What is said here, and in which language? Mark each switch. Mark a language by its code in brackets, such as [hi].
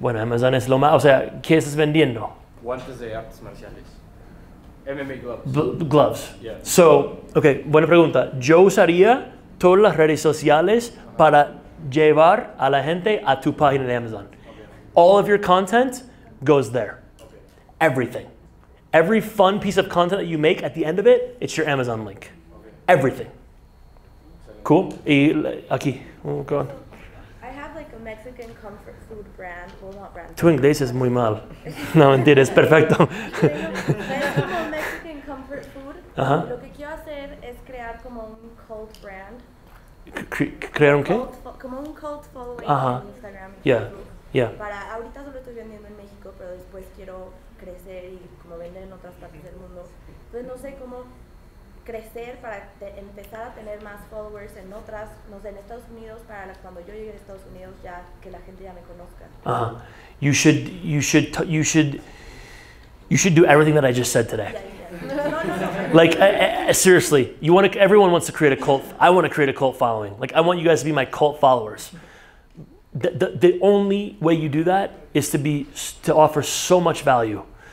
[es] Bueno, Amazon es lo más, o sea, ¿qué estás vendiendo? Guantes de artes marciales. MMA [en] gloves. Gloves. Yeah. So, ok, [es] buena pregunta. Yo usaría todas las redes sociales para llevar a la gente a tu página de Amazon. [en] Okay. All of your content goes there. Okay. Everything. Every fun piece of content that you make at the end of it, it's your Amazon link. Okay. Everything. Cool. [es] Y aquí. [en] Oh, go on. I have like a Mexican comfort food brand. Well, not brand. [es] Tu inglés es muy mal. No, mentira, es perfecto. Uh-huh. Lo que quiero hacer es crear como un cult brand. ¿Crear un qué? Como un cult following. Uh-huh. En Instagram y yeah. Facebook. Yeah. Para, ahorita solo estoy vendiendo en México, pero después quiero crecer y como vender en otras partes del mundo. Entonces no sé cómo crecer para empezar a tener más followers en otras, no sé, en Estados Unidos, para cuando yo llegue a Estados Unidos ya que la gente ya me conozca. [en] Uh-huh. You should You should do everything that I just said today. No. Like, seriously, everyone wants to create a cult. I want to create a cult following. Like, I want you guys to be my cult followers. The only way you do that is to offer so much value.